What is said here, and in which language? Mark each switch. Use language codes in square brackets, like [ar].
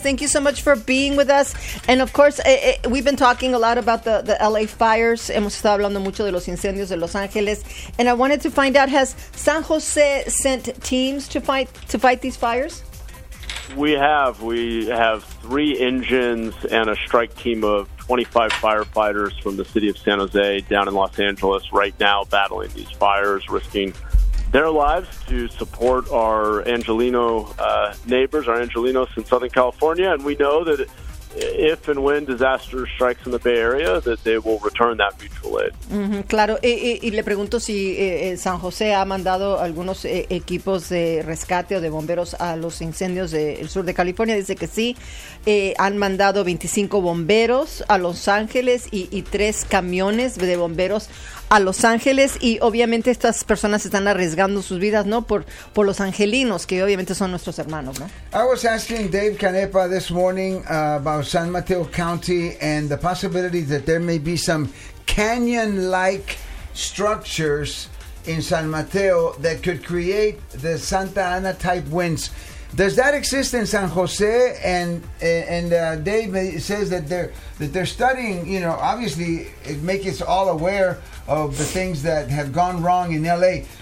[en] Thank you so much for being with us. And of course, we've been talking a lot about the LA fires. [es] Hemos estado hablando mucho de los incendios de Los Ángeles. [en] And I wanted to find out, has San Jose sent teams to fight these fires? We have. We have three engines and a strike team of 25 firefighters from the city of San Jose down in Los Angeles right now battling these fires, risking their lives to support our Angelino neighbors, our Angelinos in Southern California. And we know that if and when disaster strikes in the Bay Area, that they will return that mutual aid. [es] Mm-hmm, claro. Y le pregunto si San José ha mandado algunos equipos de rescate o de bomberos a los incendios del sur de California. Dice que sí. Han mandado 25 bomberos a Los Ángeles y tres camiones de bomberos a Los Ángeles, y obviamente estas personas están arriesgando sus vidas, ¿no? Por los angelinos, que obviamente son nuestros hermanos, ¿no? [en] I was asking Dave Canepa this morning about San Mateo County and the possibility that there may be some canyon-like structures in San Mateo that could create the Santa Ana-type winds. Does that exist in San Jose? And Dave says that they're studying, you know, obviously it makes us all aware of the things that have gone wrong in L.A.